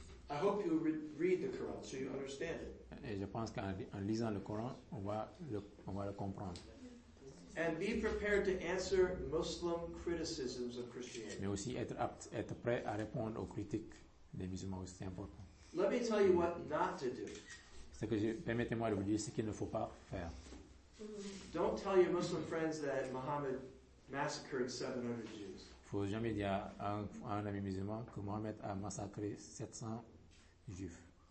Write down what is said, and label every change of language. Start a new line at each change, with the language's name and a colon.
English: I hope you read the Quran so you understand it.
French: Et je pense qu'en lisant le Coran, on va le comprendre.
English: And be prepared to answer Muslim criticisms of Christianity.
French: Mais aussi être prêt à répondre aux critiques des musulmans, c'est important.
English: Let me tell you what not to do.
French: C'est que permettez-moi de vous dire ce qu'il ne faut pas faire.
English: Don't tell your Muslim friends that Muhammad massacred 700 Jews.
French: Il ne faut jamais dire à un ami musulman que Muhammad a massacré 700 Juifs.